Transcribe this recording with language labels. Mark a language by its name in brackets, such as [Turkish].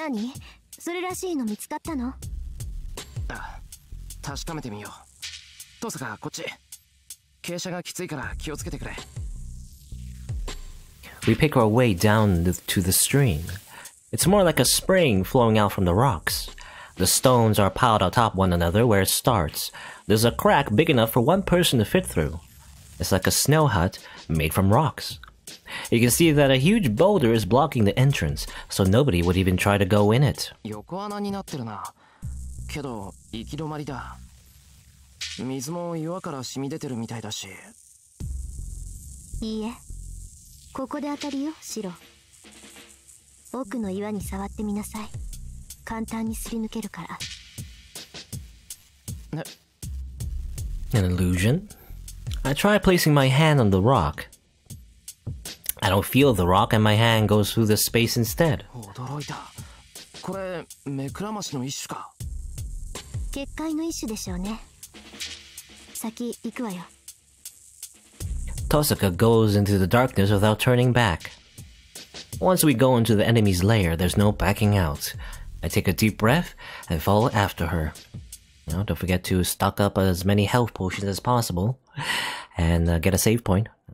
[Japanese] あれって。何？それらしいの見つかったの？確かめてみよう。トサカ、こっち。傾斜がきついから気をつけてくれ。 [English] We pick our way down to the stream. It's more like a spring flowing out from the rocks. The stones are piled on top one another where it starts. There's a crack big enough for one person to fit through. It's like a snow hut made from rocks. You can see that a huge boulder is blocking the entrance, so nobody would even try to go in it. [Japanese] 横穴になってるな。けど、行き止まりだ。水も岩から染み出てるみたいだし。いいえ。ここで当たりよ、シロ。奥の岩に触ってみなさい。簡単にすり抜けるから。ね。 [English] An illusion? I try placing my hand on the rock. I don't feel the rock and my hand goes through the space instead. [Japanese] 驚いた。これ、目くらましの一種か。結界の一種でしょうね。先、行くわよ。 [English] Tosaka goes into the darkness without turning back. Once we go into the enemy's lair, there's no backing out. I take a deep breath and follow after her. Now, don't forget to stock up as many health potions as possible and get a save point.